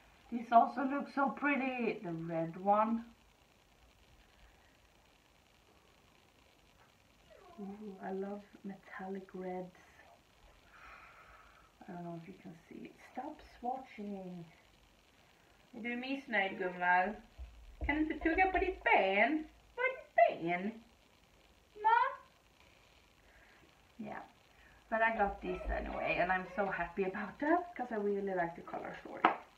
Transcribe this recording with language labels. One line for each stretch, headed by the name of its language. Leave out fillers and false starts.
English: This also looks so pretty, the red one. Ooh, I love metallic reds. I don't know if you can see it. Stop swatching.
Swedish: Är du missnöjd, Gunvald? Kan du inte tugga på ditt ben? På ditt ben? Ma? Yeah.
English: But I got this anyway, and I'm so happy about that, because I really like the color story.